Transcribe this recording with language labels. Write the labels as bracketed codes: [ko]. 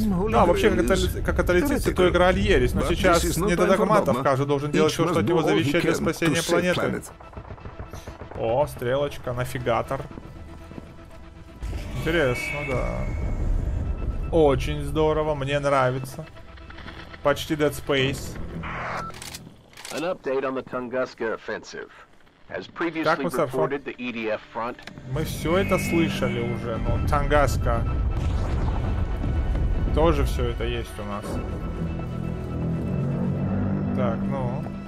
[ru] Да, вообще, как католицизм, Святой Грааль ересь, но сейчас не до догматов, каждый должен делать всё, что от него завещает для спасения планеты. О, стрелочка, нафигатор. Интересно, да. Очень здорово, мне нравится. Почти [en] Dead Space. An update on the Tunguska offensive. As previously reported, the EDF front. [ru] Мы все это слышали уже, но Tunguska тоже все это есть у нас. Так, ну.